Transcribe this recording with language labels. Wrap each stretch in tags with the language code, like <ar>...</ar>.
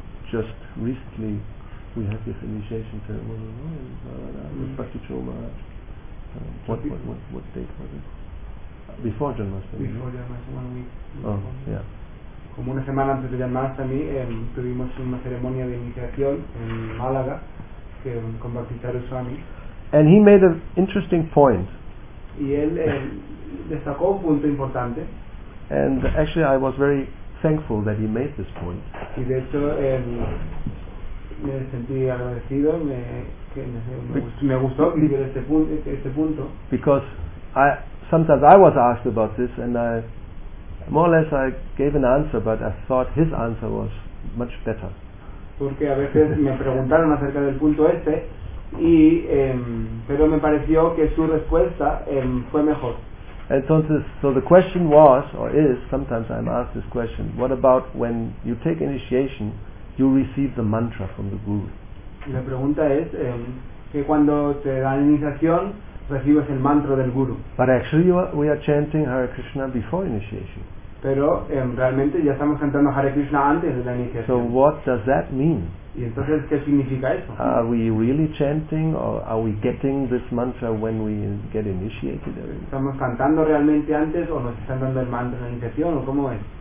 <en>Just recently we have this initiation ceremony what date was it? Before Janmashtami. Before Janmashtami, one week. Oh, yeah.</en> <es>Como una semana antes de Janmashtami, tuvimos una ceremonia de iniciación en Málaga que con Bhaktisaru Swami.</es> <en>And he made an interesting point.</en> <es>Y él destacó un punto importante.</es> <en>And actually, I was very thankful that he made this point.</en> <es>Y de hecho, me sentí agradecido, me gustó que hiciera este punto.</es> <en>Because sometimes I was asked about this and I more or less I gave an answer, but I thought his answer was much better.</en> <es>Porque a veces me preguntaron acerca del punto este y pero me pareció que su respuesta fue mejor. Entonces,</es> <en>so the question was or is, sometimes I'm asked this question, what about when you take initiation you receive the mantra from the guru?</en> <es>La pregunta es que cuando te dan iniciación recibes el mantra del guru.</es> <en>But actually we are chanting Hare Krishna before initiation.</en> <es>Pero realmente ya estamos cantando Hare Krishna antes de la iniciación.</es> <en>So what does that mean?</en> <es>¿Y entonces qué significa eso?</es> <en>Are we really chanting or are we getting this mantra when we get initiated?</en> <es>¿Estamos cantando realmente antes o nos están dando el mantra de la iniciación o cómo es?</es>